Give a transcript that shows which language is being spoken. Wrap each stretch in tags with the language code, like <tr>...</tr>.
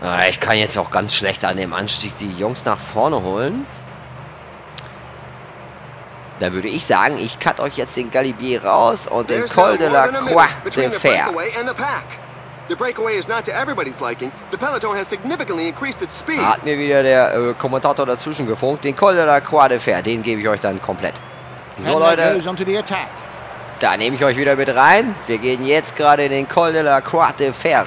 <de>Ich kann jetzt auch ganz schlecht an dem Anstieg die Jungs nach vorne holen. Da würde ich sagen, ich cut euch jetzt den Galibier raus und den Col de la Croix de Fer.</de> <en>The breakaway is not to everybody's liking. The peloton has significantly increased its speed.</en> <de>Hat mir wieder der Kommentator dazwischen gefunkt. Den Col de la Croix de Fer, den gebe ich euch dann komplett. So, Leute. Da nehme ich euch wieder mit rein. Wir gehen jetzt gerade in den Col de la Croix de Fer rein.</de>